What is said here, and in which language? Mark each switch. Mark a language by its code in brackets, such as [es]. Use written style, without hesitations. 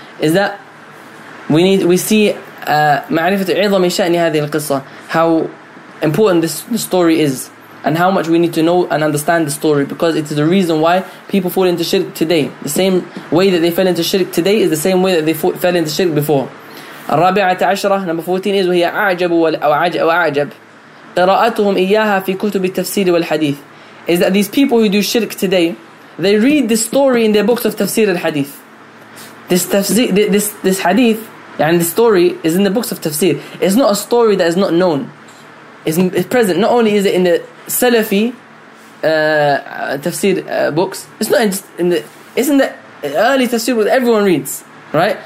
[en] Is that we see [ar] معرفة عظم شأن هذه القصة, [en] how important this story is, and how much we need to know and understand the story, because it is the reason why people fall into shirk today. The same way that they fell into shirk today is the same way that they fell into shirk before. [ar] الرابعة عشرة [en] number 14 is [ar] وهي أعجب وأعجب قراءتهم إياها في كتب التفسير والحديث. [en] Is that these people who do shirk today, they read this story in their books of tafsir al-hadith. This hadith, and the story is in the books of tafsir. It's not a story that is not known. It's present. Not only is it in the Salafi tafsir books, it's not just in the, it's in the early tafsir books that everyone reads, right?